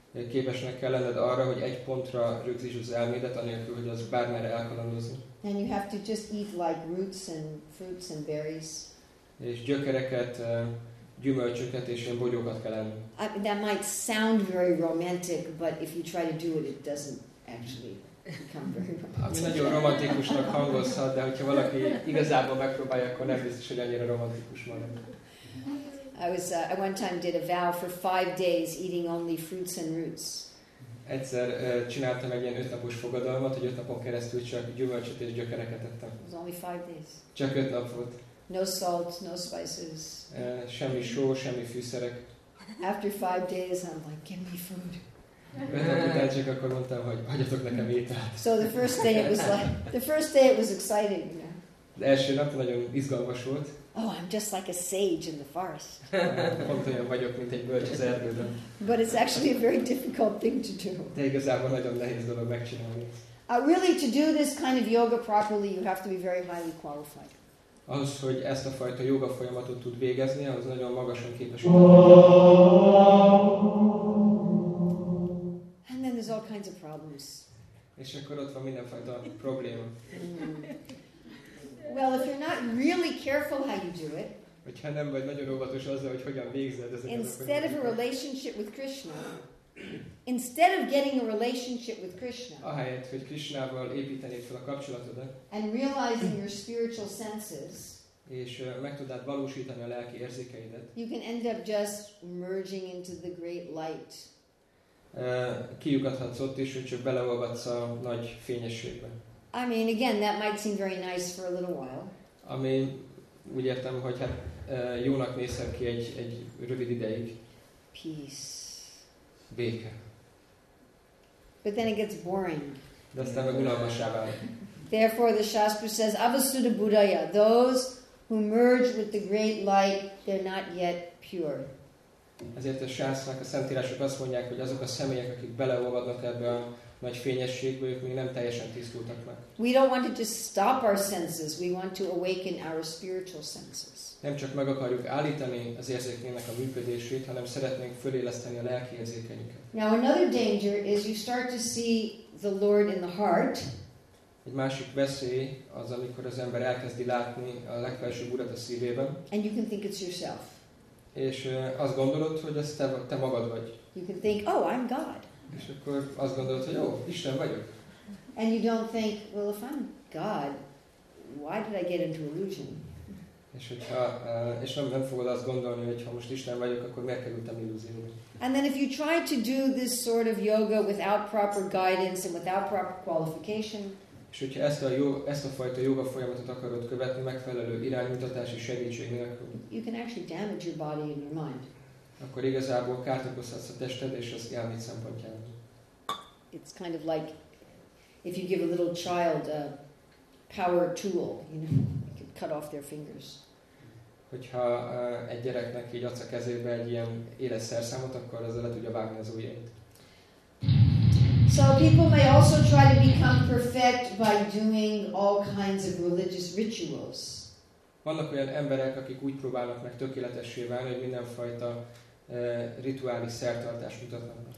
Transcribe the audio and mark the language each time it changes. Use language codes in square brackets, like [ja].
[hu] Képesnek kell lenned arra, hogy egy pontra rögzítsd az elmédet, anélkül, hogy az bármerre elkalandozni. [en] And you have to just eat like roots and fruits and berries. [hu] És gyökereket, gyümölcsöket és ilyen bogyókat kell enni. [en] That might sound very romantic, but if you try to do it, it doesn't actually become very romantic. [hu] Ami nagyon romantikusnak hangozhat, de hogyha valaki igazából megpróbálja, akkor nem biztos, hogy annyira romantikus marad. [en] I one time did a vow for 5 days eating only fruits and roots. [hu] Egyszer csináltam egy ilyen 5 napos fogadalmat, hogy 5 napon keresztül csak gyümölcsöt és gyökereket ettem. [en] It was only 5 days. [hu] Csak 5 nap volt. [en] No salt, no spices. [hu] Semmi só, semmi fűszerek. [en] After 5 days, I'm like, give me food. [hu] Csak akkor mondtam, hogy adjatok nekem ételt. [en] So the first day it was like, the first day it was exciting, you know. [hu] Az első nap nagyon izgalmas volt. [en] Oh, I'm just like a sage in the forest. [hu] Pont olyan vagyok, mint egy bölcs az erdőben. [en] But it's actually a very difficult thing to do. [hu] De igazából nagyon nehéz dolog megcsinálni. [en] Really, to do this kind of yoga properly, you have to be very highly qualified. [hu] Ahhoz, hogy ezt a fajta yoga folyamatot tud végezni, az nagyon magasan képes. [en] And then there's all kinds of problems. [hu] És akkor ott van mindenfajta probléma. [en] Well, if you're not really careful how you do it, [hu] hogyha nem vagy nagyon óvatos azzal, hogy hogyan végzed ezeket, [en] instead of a relationship with Krishna, instead of getting a relationship with Krishna, [hu] ahelyett, hogy Krishnával építenéd fel a kapcsolatodat, [en] and realizing your spiritual senses, [hu] és meg tudnád valósítani a lelki érzékeidet, [en] you can end up just merging into the great light. [hu] Kiugathatsz ott is, hogy csak beleolvadsz a nagy fényességbe. [en] I mean, again, that might seem very nice for a little while. I mean, [hu] úgy értem, hogy hát jónak nézhet ki egy rövid ideig. [en] Peace. [hu] Béke. [en] But then it gets boring. [hu] De aztán meg unalmassá válik. [en] Therefore, the Shastra says, Avasuddha Buddhaya, those who merge with the great light, they're not yet pure. [hu] Ezért a Shastrák, a szentírások azt mondják, hogy azok a személyek, akik beleolvadnak ebbe a nagy fényességből, ők még nem teljesen tisztultak meg. [en] We don't want to just stop our senses, we want to awaken our spiritual senses. [hu] Nem csak meg akarjuk állítani az érzékeinknek a működését, hanem szeretnénk föléleszteni a lelki érzékeinket. [en] Now another danger is you start to see the Lord in the heart. [hu] Egy másik veszély az, amikor az ember elkezdi látni a legfelsőbb urat a szívében. [en] And you can think it's yourself. [hu] És azt gondolod, hogy ez te magad vagy. [en] You can think, oh, I'm God. [hu] És akkor azt gondolod, hogy ó, Isten vagyok. [en] And you don't think, well, if I'm God, why did I get into illusion? [hu] És hogyha, és nem fogod azt gondolni, hogy ha most Isten vagyok, akkor miért kerültem illúzióba? [en] And then if you try to do this sort of yoga without proper guidance and without proper qualification, [hu] és hogyha ezt a fajta yoga folyamatot akarod követni megfelelő iránymutatási segítség nélkül, [en] you can actually damage your body and your mind. [hu] Akkor igazából kárt okozhatsz a tested és az elméd szempontjából. [en] It's kind of like if you give a little child a power tool, you know, you could cut off their fingers. [hu] Hogyha egy gyereknek így adsz a kezébe egy ilyen éles szerszámot, akkor azzal le tudja vágni az ujjait. [en] So people may also try to become perfect by doing all kinds of religious rituals. [hu] Vannak olyan emberek, akik úgy próbálnak meg tökéletessé válni, hogy mindenfajta rituális szertartást mutatnak.